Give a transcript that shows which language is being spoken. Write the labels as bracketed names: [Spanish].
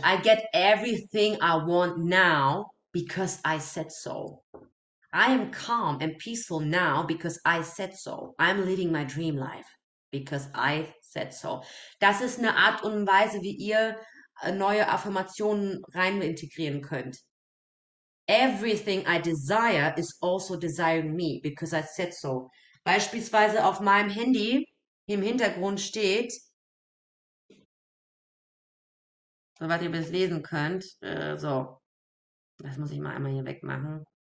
[English] I get everything I want now because I said so. I am calm and peaceful now because I said so. I'm living my dream life because I said so. [German] Das ist eine Art und Weise, wie ihr neue Affirmationen rein integrieren könnt. [English] Everything I desire is also desiring me, because I said so. [German] Beispielsweise auf meinem Handy im Hintergrund steht, soweit ihr das lesen könnt, so, das muss ich mal einmal hier wegmachen.